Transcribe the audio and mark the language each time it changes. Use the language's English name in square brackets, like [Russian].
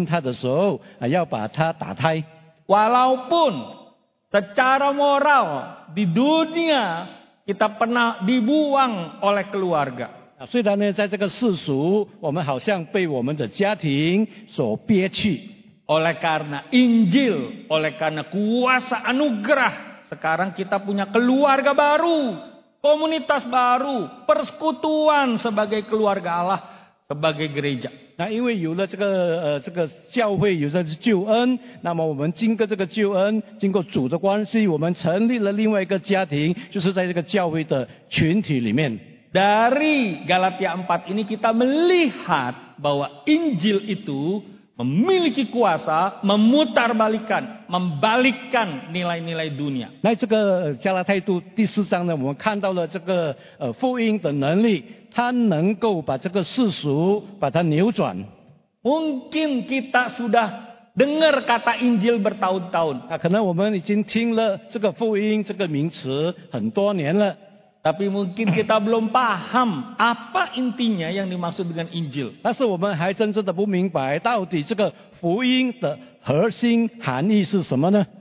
[Chinese] 但是有的孩子呢，可能他会听说，当他母亲怀孕他的时候，要把他打胎。 [Indonesian] Walaupun secara moral di dunia kita pernah dibuang oleh keluarga. [Chinese] 虽然呢，在这个世俗，我们好像被我们的家庭所憋屈。 [Indonesian] Oleh karena Injil, oleh karena kuasa anugerah, sekarang kita punya keluarga baru, komunitas baru, persekutuan sebagai keluarga Allah, sebagai gereja. [Chinese] Nah, 因为有了这个教会，有了救恩，那么我们经过这个救恩，经过主的关系，我们成立了另外一个家庭，就是在这个教会的群体里面。 [Indonesian] Dari Galatia 4 ini kita melihat bahwa Injil itu memiliki kuasa memutarbalikkan, membalikkan nilai-nilai dunia. [Chinese] 那这个加拉太书第四章呢，我们看到了这个福音的能力，它能够把这个世俗把它扭转。 [Indonesian] Mungkin kita sudah dengar kata Injil bertahun-tahun. [Chinese] 那可能我们已经听了这个福音这个名词很多年了。 [Indonesian] Tapi mungkin kita belum paham apa intinya yang dimaksud dengan Injil. [Chinese] 但是我们还真正的不明白到底这个福音的核心含义是什么呢?